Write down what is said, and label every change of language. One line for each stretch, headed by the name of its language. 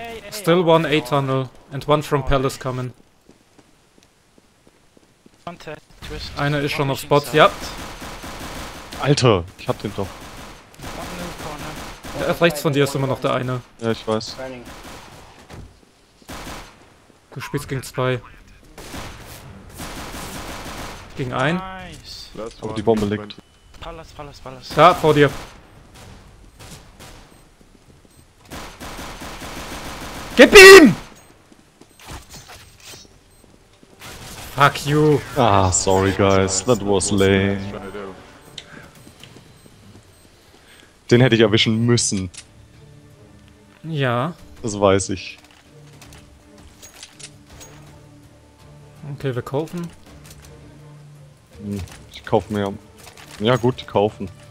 English: Still one A tunnel and one from Palace coming.
German: Einer ist schon auf Spot, ja. Alter, ich hab den doch. Der rechts von dir ist immer noch der eine. Ja, ich weiß. Du spielst gegen zwei. Gegen ein. Nice. Aber die Bombe liegt. Palace, Palace, Palace. Da, vor dir. Gib ihm!
English: Fuck you. Ah, sorry guys, that was lame.
German: Den hätte ich erwischen müssen. Ja. Das weiß ich. Okay, wir kaufen. Ich kaufe mehr. Ja gut, die kaufen.